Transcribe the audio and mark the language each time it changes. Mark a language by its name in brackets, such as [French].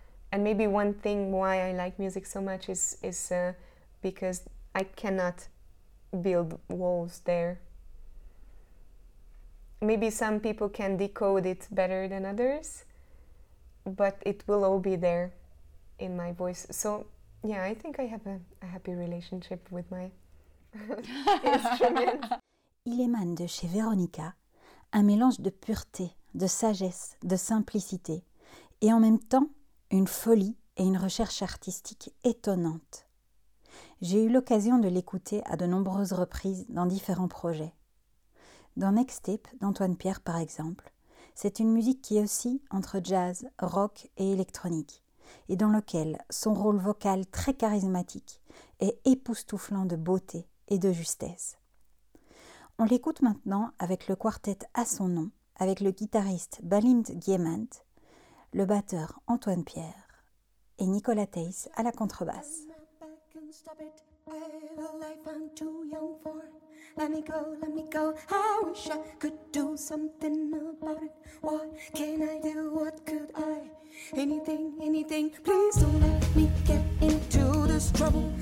[English] And maybe one thing why I like music so much is because I cannot build walls there. Maybe some people can decode it better than others, but it will all be there in my voice. So yeah, I think I have a happy relationship with my instrument. [French] Il émane de chez Véronica un mélange de pureté, de sagesse, de simplicité, et en même temps une folie et une recherche artistique étonnante. J'ai eu l'occasion de l'écouter à de nombreuses reprises dans différents projets. Dans Next Step d'Antoine Pierre par exemple, c'est une musique qui oscille entre jazz, rock et électronique, et dans lequel son rôle vocal très charismatique est époustouflant de beauté et de justesse. On l'écoute maintenant avec le quartet à son nom, avec le guitariste Balint Giemant, le batteur Antoine Pierre et Nicolas Theis à la contrebasse. [English] Stop it, I have a life I'm too young for. Let me go, I wish I could do something about it. What can I do, what could I? Anything, anything, please don't let me get into this trouble.